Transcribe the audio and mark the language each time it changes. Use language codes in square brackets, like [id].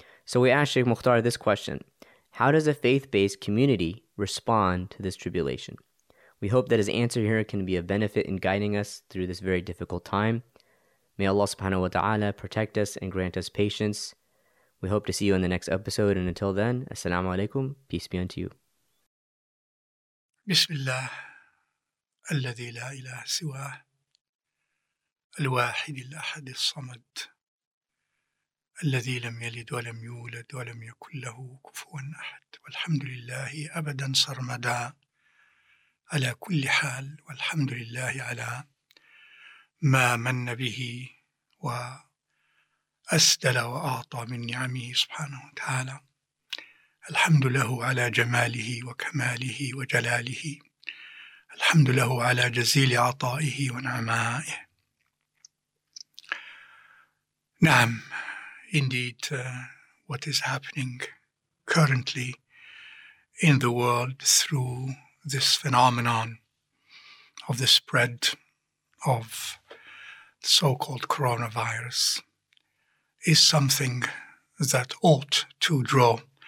[en] So we asked Sheikh Mukhtar this question: how does a faith-based community respond to this tribulation? We hope that his answer here can be of benefit in guiding us through this very difficult time. May Allah subhanahu wa ta'ala protect us and grant us patience. We hope to see you in the next episode, and until then, assalamu alaikum, peace be unto you. Bismillah. [ar] الذي لا إله سواه الواحد الأحد الصمد الذي لم يلد ولم يولد ولم يكن له كفوا أحد والحمد لله أبدا سرمدا على كل حال والحمد لله على ما من به وأسدل وأعطى من نعمه سبحانه وتعالى الحمد له على جماله وكماله وجلاله الحمد له على جزيل عطائه ونعمائه. [en] نعم, indeed, what is happening currently in the world through this phenomenon of the spread of the so-called coronavirus is something that ought to draw